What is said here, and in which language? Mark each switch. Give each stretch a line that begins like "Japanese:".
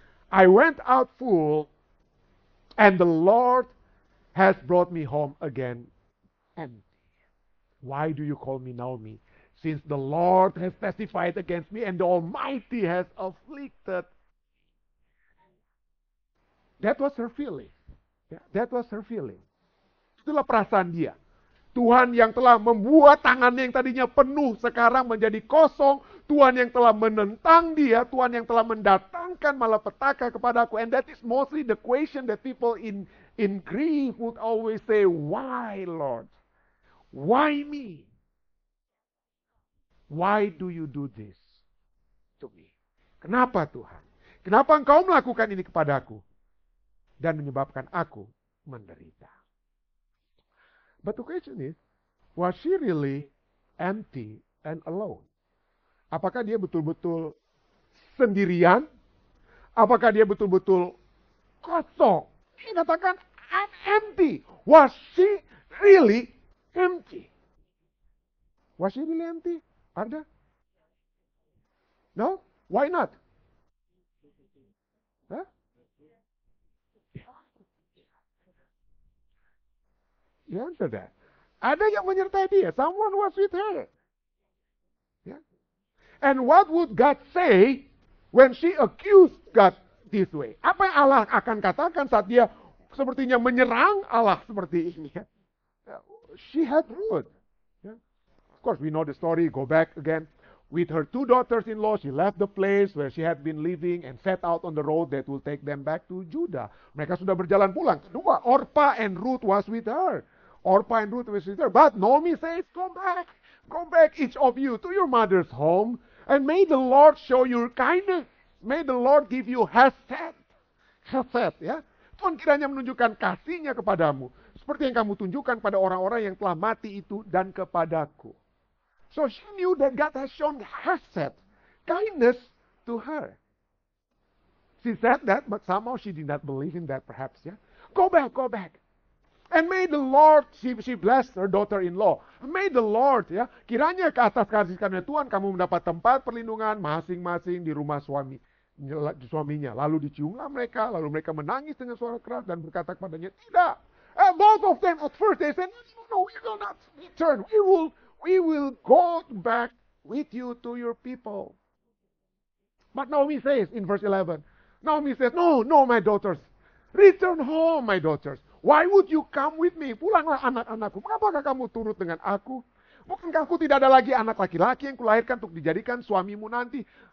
English: I went out full, and the Lord has brought me home again empty. Why do you call me Naomi? Since the Lord has testified against me, and the Almighty has afflicted. That was her feeling.
Indonesian: Itulah perasaan dia. Tuhan yang telah membuat tangannya yang tadinya penuh sekarang menjadi kosong. Tuhan yang telah menentang dia. Tuhan yang telah mendatangkan malapetaka kepada aku.
English: And that is mostly the question that people in grief would always say, why, Lord? Why me? Why do you do this to me?
Indonesian: Kenapa Tuhan? Kenapa engkau melakukan ini kepadaku? Dan menyebabkan aku menderita.
English: But the question is, was she really empty and alone?
Indonesian: Apakah dia betul-betul sendirian? Apakah dia betul-betul kosong? Dia katakan,
English: I'm empty. Was she really empty? Was she really empty? Arda? No? Why not? Huh? You answer that.
Indonesian: Ada yang menyertai dia.
English: Someone was with her. And what would God say when she accused God this way?
Indonesian: Apa yang Allah akan katakan saat dia sepertinya menyerang Allah seperti ini?
English: She had root. Of course, we know the story. Go back again. With her two daughters-in-law, she left the place where she had been living and set out on the road that will take them back to Judah.
Indonesian: Mereka sudah berjalan pulang. Kedua,
English: Orpa and Ruth was with her. Orpa and Ruth was with her. But Naomi says, come back. Go back, each of you, to your mother's home, and may the Lord show you kindness. May the Lord give you hesed. Hesed, ya.
Indonesian: Tuhan kiranya menunjukkan kasih-Nya kepadamu, seperti yang kamu tunjukkan pada orang-orang yang telah mati itu dan kepadaku.
English: So she knew that God has shown hesed, kindness to her. She said that, but somehow she did not believe in that, perhaps, ya. Go back, go back. And may the Lord, she blessed her daughter-in-law. May the Lord,
Indonesian: ya, kiranya ke atas kasih karunia Tuhan, kamu mendapat tempat perlindungan masing-masing di rumah suaminya. Lalu diciumlah mereka, lalu mereka menangis dengan suara keras dan berkata kepadanya, tidak.
English: And both of them at first, they said, no, we will not return. We will go back with you to your people. But Naomi says, in verse 11, Naomi says, no, my daughters, return home, my daughters. Why would you come with me?
Indonesian: Pulanglah anak-anakku. Mengapakah kamu turut dengan aku? Bukankah aku tidak ada lagi anak laki-laki yang kulahirkan untuk dijadikan suamimu nanti?